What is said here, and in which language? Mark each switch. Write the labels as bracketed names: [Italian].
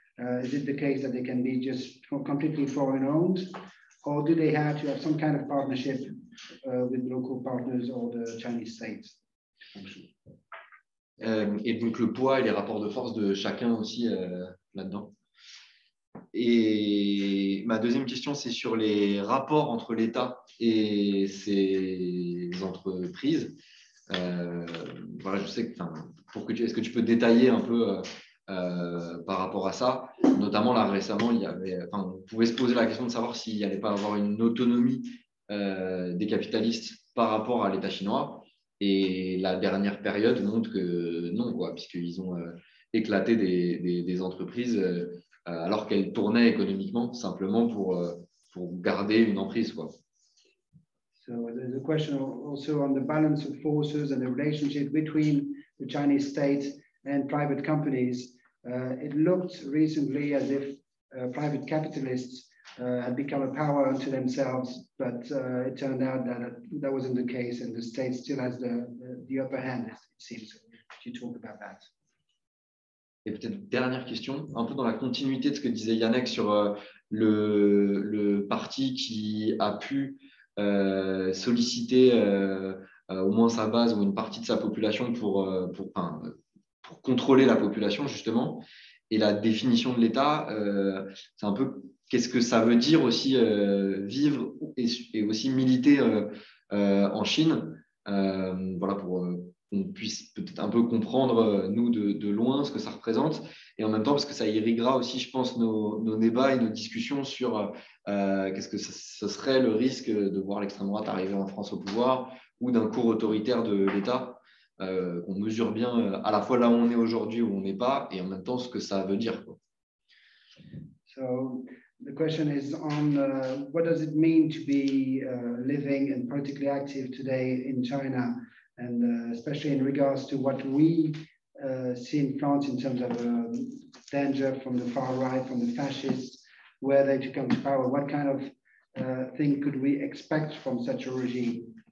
[English] Is it the case that they can be just completely foreign owned, or do they have to have some kind of partnership with local partners or the Chinese state? [French] Et donc le poids et les rapports de force de chacun aussi là-dedans. Et ma deuxième question, c'est sur les rapports entre l'État et ses entreprises. Voilà, je sais que, enfin, est-ce que tu peux détailler un peu par rapport à ça, notamment là récemment, on pouvait se poser la question de savoir s'il n'y allait pas avoir une autonomie des capitalistes par rapport à l'État chinois. Et la dernière période montre que non, quoi, puisqu'ils ont éclaté des entreprises alors qu'elles tournaient économiquement simplement pour garder une emprise, quoi. [English] So there's a question also on the balance of forces and the relationship between the Chinese state and private companies. It looked recently as if private capitalists had become a power unto themselves, but it turned out that wasn't the case, and the state still has the upper hand, it seems. Could you talk about that? [French] Et peut-être dernière question, un peu dans la continuité de ce que disait Yannick sur le parti qui a pu solliciter au moins sa base ou une partie de sa population pour contrôler la population, justement, et la définition de l'État, c'est un peu qu'est-ce que ça veut dire aussi vivre et aussi militer en Chine, voilà, pour qu'on puisse peut-être un peu comprendre, nous, de loin, ce que ça représente, et en même temps, parce que ça irriguera aussi, je pense, nos débats et nos discussions sur qu'est-ce que ce serait le risque de voir l'extrême droite arriver en France au pouvoir ou d'un cours autoritaire de l'État. Qu'on mesure bien à la fois là où on est aujourd'hui où on n'est pas et en même temps ce que ça veut dire, quoi. [English] So the question is on what does it mean to be living and politically active today in China, and especially in regards to what we see in France in terms of danger from the far right, from the fascists, where they to come to power, what kind of thing could we expect from such a regime?